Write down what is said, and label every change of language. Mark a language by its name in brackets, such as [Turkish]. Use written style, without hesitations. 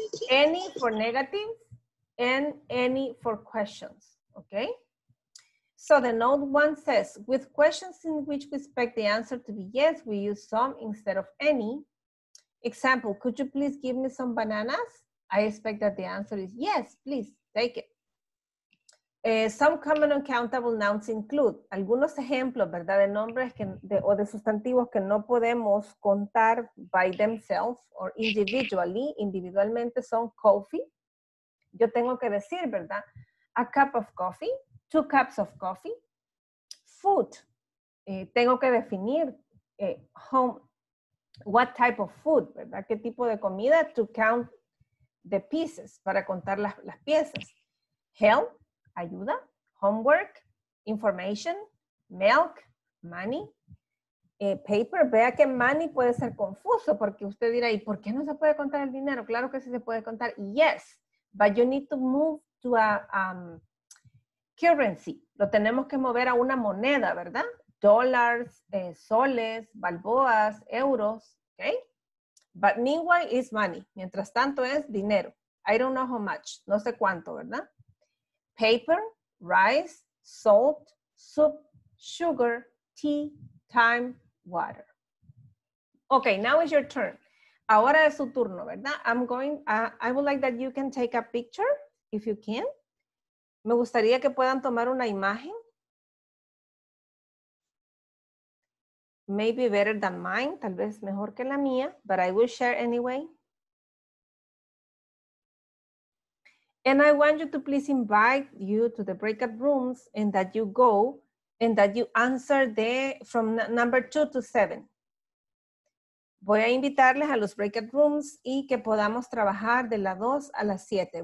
[English] Any for negative and any for questions, okay? So the note one says, with questions in which we expect the answer to be yes, we use some instead of any. Example, could you please give me some bananas? I expect that the answer is yes, please take it. Some common uncountable nouns include, [Spanish] algunos ejemplos, ¿verdad? De nombres que, o de sustantivos que no podemos contar [English] by themselves [Spanish] or individualmente son coffee. Yo tengo que decir, ¿verdad? [English] A cup of coffee, two cups of coffee, food. [Spanish] Tengo que definir home, [English] what type of food, [Spanish] ¿verdad? ¿Qué tipo de comida? [English] To count the pieces, [Spanish] para contar las piezas. [English] Help. [Spanish] Ayuda, homework, information, milk, money, paper. Vea que money puede ser confuso porque usted dirá, ¿y por qué no se puede contar el dinero? Claro que sí se puede contar. Yes, [English] but you need to move to a currency. [Spanish] Lo tenemos que mover a una moneda, ¿verdad? [English] Dollars, soles, balboas, euros, okay? But meanwhile is money. [Spanish] Mientras tanto es dinero. [English] I don't know how much. [Spanish] No sé cuánto, ¿verdad? [English] Paper, rice, salt, soup, sugar, tea, time, water. Okay, now is your turn. [Spanish] Ahora es su turno, ¿verdad? [English] I would like that you can take a picture, if you can. [Spanish] Me gustaría que puedan tomar una imagen. [English] Maybe better than mine, [Spanish] tal vez mejor que la mía, [English] but I will share anyway. And I want you to please invite you to the breakout rooms and that you go and that you answer the from number 2 to 7. [Spanish] Voy a invitarles a los breakout rooms y que podamos trabajar de la 2 a la 7.